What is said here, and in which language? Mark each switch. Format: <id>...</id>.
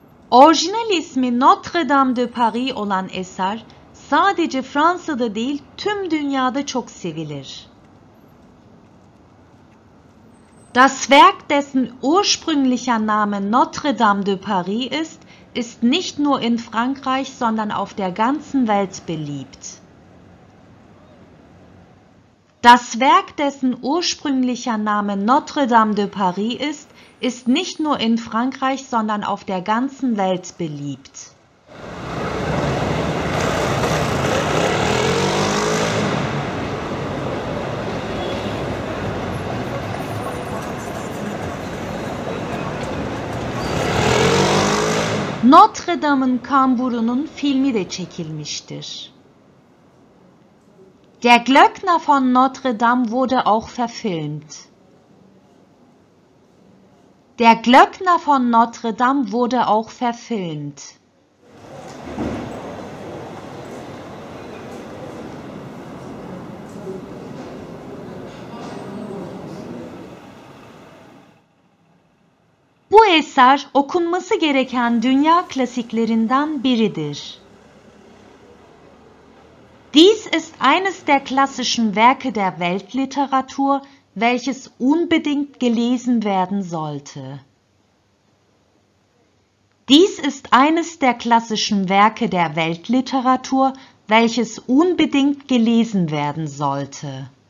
<tr>Orijinal ismi Notre Dame de Paris olan eser sadece Fransa'da değil, tüm dünyada çok sevilir.</tr> <de>Das Werk, dessen ursprünglicher Name Notre Dame de Paris ist, ist nicht nur in Frankreich, sondern auf der ganzen Welt beliebt. Das Werk, dessen ursprünglicher Name Notre Dame de Paris ist, ist nicht nur in Frankreich, sondern auf der ganzen Welt beliebt.</de> <tr>Notre Dame'ın Kamburu'nun filmi de çekilmiştir.</tr> <de>Der Glöckner von Notre Dame wurde auch verfilmt. Der Glöckner von Notre Dame wurde auch verfilmt.</de> <tr>Bu eser okunması gereken dünya klasiklerinden biridir.</tr> <de>Dies ist eines der klassischen Werke der Weltliteratur, welches unbedingt gelesen werden sollte. Dies ist eines der klassischen Werke der Weltliteratur, welches unbedingt gelesen werden sollte.</de>